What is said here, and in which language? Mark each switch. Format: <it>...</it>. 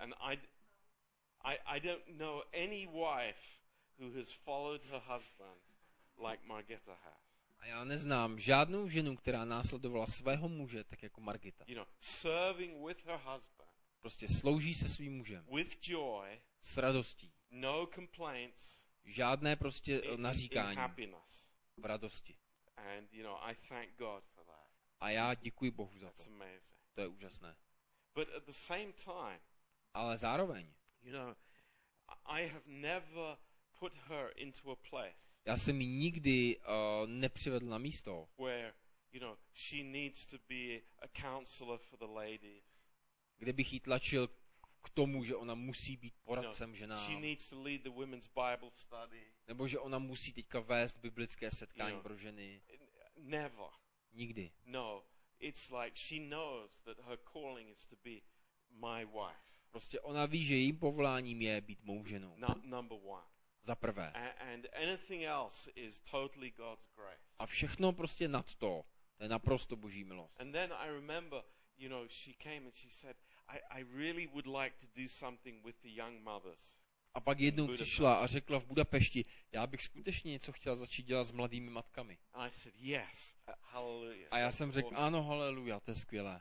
<en>And I don't know any wife who has followed her husband like Margita has.</en> <cs>A já neznám žádnou ženu, která následovala svého muže tak jako Margita.</cs> <en>You know, serving with her husband.</en> <cs>Prostě slouží se svým mužem.</cs> <en>With joy,</en> <cs>s radostí.</cs> <en>No complaints,</en> <cs>žádné prostě naříkání.</cs> <en>In</en> <cs>v radosti.</cs> <en>And, you know, I thank God for that.</en> <cs>A já děkuji Bohu za</cs> <en>that's</en> <cs>to.</cs> <en>Amazing.</en> <cs>To je úžasné.</cs> <en>But at the same time,</en> <cs>ale zároveň,</cs> <en>you know, I have never put her into a place.</en> <cs>Já jsem ji nikdy nepřivedl na místo.</cs> <en>Where, you know, she needs to be a counselor for the ladies.</en> <cs>Kde bych ji tlačil k tomu, že ona musí být poradcem ženám.</cs> <en>She needs to lead the women's Bible study.</en> <cs>Nebo že ona musí teďka vést biblické setkání,</cs> <en>you know,</en> <cs>pro ženy.</cs> <en>Never.</en> <cs>Nikdy.</cs> <en>No, it's like she knows that her calling is to be my wife.</en> <cs>Prostě ona ví, že jejím povoláním je být mou ženou.</cs> <en>Number one.</en> <cs>Za prvé.</cs> <en>And anything else is totally God's grace.</en> <cs>A všechno prostě nad to, to je naprosto Boží milost.</cs> <en>And then I remember, you know, she came and she said, I really would like to do something with the young mothers.</en> <cs>A pak jednou přišla a řekla v Budapešti, já bych skutečně něco chtěla začít dělat s mladými matkami.</cs> <en>And I said, yes, hallelujah.</en> <cs>A já jsem řekl, awesome. Ano, haleluja, to je skvělé.</cs>